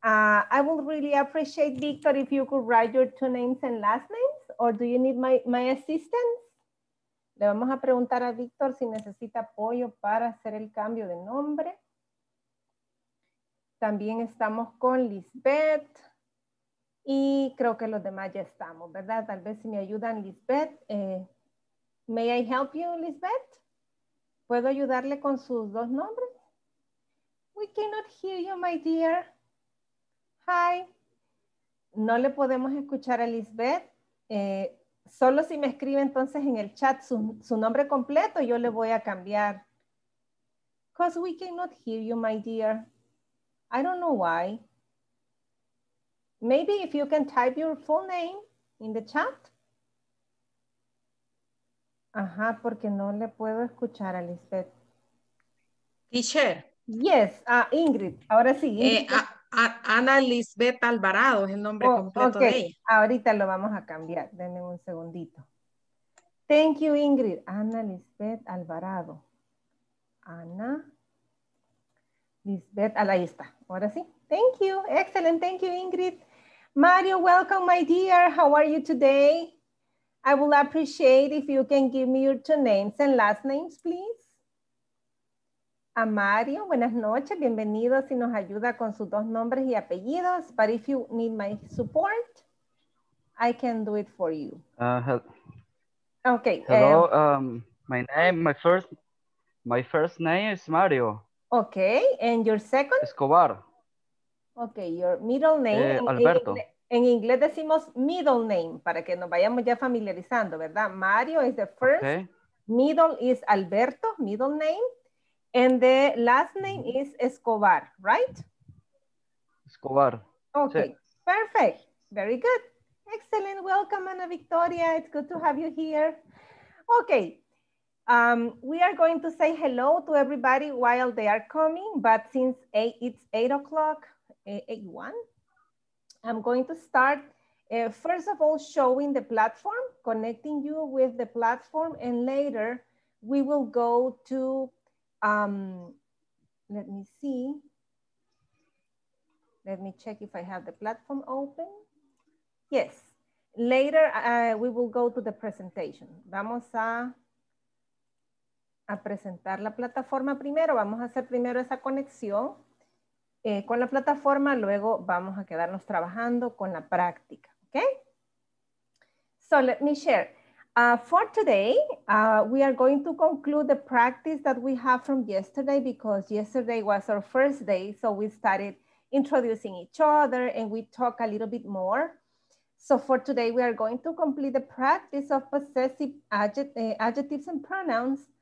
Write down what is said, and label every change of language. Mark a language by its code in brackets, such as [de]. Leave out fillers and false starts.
[en] I would really appreciate, Victor, if you could write your two names and last names, or do you need my assistance? [es] Le vamos a preguntar a Victor si necesita apoyo para hacer el cambio de nombre. También estamos con Lisbeth. Y creo que los demás ya estamos, ¿verdad? Tal vez si me ayudan, Lisbeth. [en] May I help you, Lisbeth? [es] ¿Puedo ayudarle con sus dos nombres? [en] We cannot hear you, my dear. Hi. [es] No le podemos escuchar a Lisbeth. Solo si me escribe entonces en el chat su nombre completo, yo le voy a cambiar. [en] Because we cannot hear you, my dear. I don't know why. Maybe if you can type your full name in the chat. [es] Ajá, porque no le puedo escuchar a Lisbeth. [en] Teacher. Yes, [es] Ingrid, ahora sí. Ingrid. Ana Lisbeth Alvarado es el nombre completo okay. De ella. Ahorita lo vamos a cambiar, denme un segundito. [en] Thank you, Ingrid. [es] Ana Lisbeth Alvarado. Ana Lisbeth, ahí está, ahora sí. [en] Thank you, excellent, thank you, Ingrid. Mario, welcome, my dear. How are you today? I would appreciate if you can give me your two names and last names, please. [es] A Mario, buenas noches. Bienvenido si nos ayuda con sus dos nombres y apellidos. [en] But if you need my support, I can do it for you. Okay. Hello. My name, my first name is Mario. Okay. And your second? Escobar. Okay, your middle name. Alberto. [es] En inglés decimos middle name, para que nos vayamos ya familiarizando, ¿verdad? [en] Mario is the first, okay. Middle is Alberto, middle name, and the last name is Escobar, right? Escobar. Okay, sí. Perfect, very good. Excellent, welcome Ana Victoria, it's good to have you here. Okay. We are going to say hello to everybody while they are coming, but since it's 8 o'clock, I'm going to start, first of all, showing the platform, connecting you with the platform, and later we will go to, let me check if I have the platform open. Yes, later we will go to the presentation. [es] Vamos a presentar la plataforma primero, vamos a hacer primero esa conexión. Con la plataforma, luego vamos a quedarnos trabajando con la práctica, ¿ok? [en] So let me share. For today, we are going to conclude the practice that we have from yesterday, because yesterday was our first day. So we started introducing each other and we talk a little bit more. So for today, we are going to complete the practice of possessive adjectives and pronouns.